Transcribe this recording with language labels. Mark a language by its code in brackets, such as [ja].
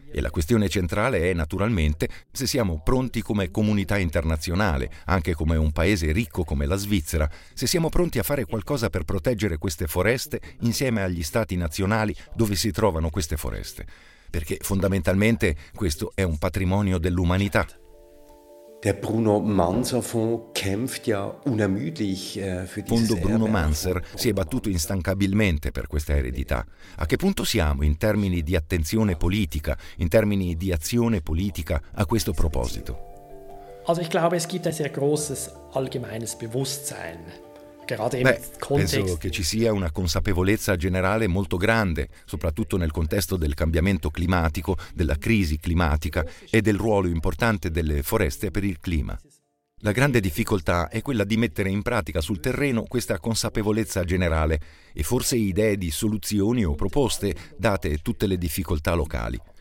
[it] E la questione centrale è, naturalmente, se siamo pronti come comunità internazionale, anche come un paese ricco come la Svizzera, se siamo pronti a fare qualcosa per proteggere queste foreste insieme agli stati nazionali dove si trovano queste foreste. Perché fondamentalmente questo è un patrimonio dell'umanità. [de] Der Bruno Manser Fonds kämpft ja unermüdlich für diese [it] Fondo Bruno Manser si è battuto instancabilmente per questa eredità. A che punto siamo in termini di attenzione politica, in termini di azione politica a questo proposito? [de] Also ich glaube, es gibt ein sehr großes allgemeines Bewusstsein. [it] Beh, penso che ci sia una consapevolezza generale molto grande, soprattutto nel contesto del cambiamento climatico, della crisi climatica e del ruolo importante delle foreste per il clima. La grande difficoltà è quella di mettere in pratica sul terreno questa consapevolezza generale e forse idee di soluzioni o proposte date tutte le difficoltà locali.